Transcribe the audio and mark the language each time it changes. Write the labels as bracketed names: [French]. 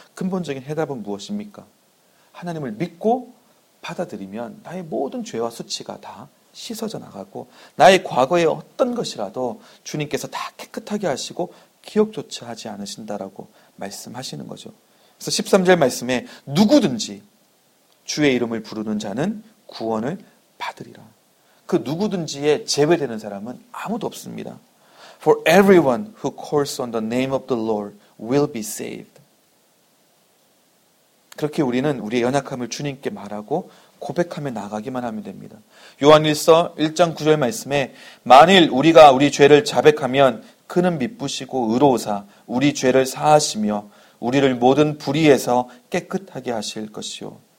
[Korean] 근본적인 해답은 무엇입니까? 하나님을 믿고 받아들이면 나의 모든 죄와 수치가 다 씻어져 나가고 나의 과거의 어떤 것이라도 주님께서 다 깨끗하게 하시고 기억조차 하지 않으신다라고 말씀하시는 거죠. 그래서 13절 말씀에 누구든지 주의 이름을 부르는 자는 구원을 받으리라. 그 누구든지에 제외되는 사람은 아무도 없습니다. [English] For everyone who calls on the name of the Lord will be saved. [Korean] 그렇게 우리는 우리의 연약함을 주님께 말하고 고백하며 나가기만 하면 됩니다. 요한일서 1장 9절 말씀에 만일 우리가 우리 죄를 자백하면 그는 미쁘시고 의로우사 우리 죄를 사하시며 우리를 모든 불의에서 깨끗하게 하실 것이요.